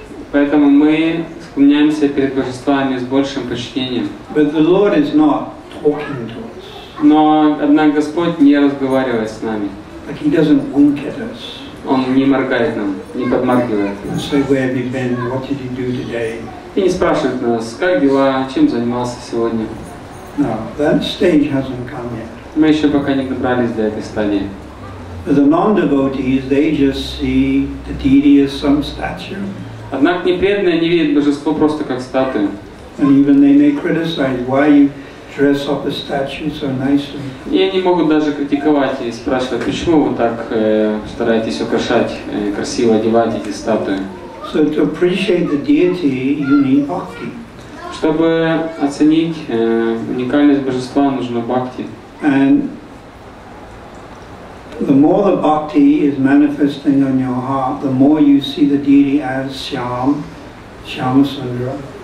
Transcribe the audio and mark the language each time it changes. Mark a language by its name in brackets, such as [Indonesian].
[Russian] Поэтому мы склоняемся перед божествами с большим почтением. [English] But the Lord is not talking to us. [Russian] Но, однако, Господь не разговаривает с нами. [English] But he doesn't wink at us. [Russian] Он не моргает нам, не подмаргивает нам. [English] So where have you been? What did you do today? [Russian] И не спрашивает нас, как дела, чем занимался сегодня. [English] No, that stage hasn't come yet. [Russian] Мы еще пока не добрались до этой стадии. [English] The non-devotees, they just see the deity as some statue. [Russian] Однако непреданные не видят божество просто как статую. [English] And even they may criticize why you dress up the statue so nicely. [Russian] И они могут даже критиковать и спрашивать, почему вы так стараетесь украшать, красиво одевать эти статуи. [English] So to appreciate the deity, you need bhakti. [Russian] Чтобы оценить уникальность божества, нужно бхакти. [English] And the more the bhakti is manifesting on your heart, the more you see the deity as Shyam, Shyamasundara.